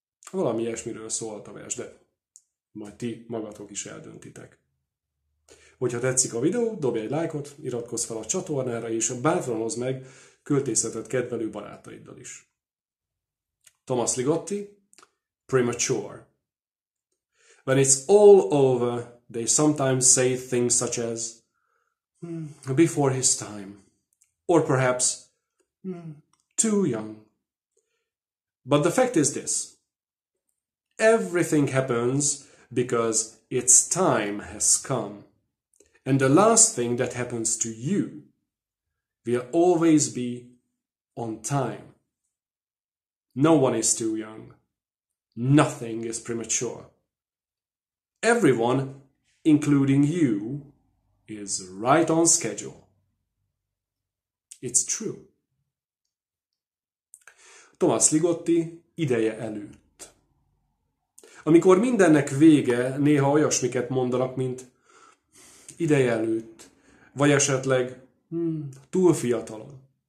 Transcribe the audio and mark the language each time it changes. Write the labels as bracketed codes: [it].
[hu] Valami ilyesmiről szólt a vers, de majd ti magatok is eldöntitek. Hogyha tetszik a videó, dobj egy lájkot, iratkozz fel a csatornára és bátranozz meg költészetet kedvelő barátaiddal is. [en] Tomás Ligotti, Premature. When it's all over, they sometimes say things such as before his time, or perhaps too young. But the fact is this, everything happens because its time has come, and the last thing that happens to you will always be on time. No one is too young. Nothing is premature. Everyone, including you, is right on schedule. It's true. [hu] Tomás Ligotti, ideje előtt. Amikor mindennek vége, néha olyasmiket mondanak, mint ideje előtt, vagy esetleg túl fiatalon.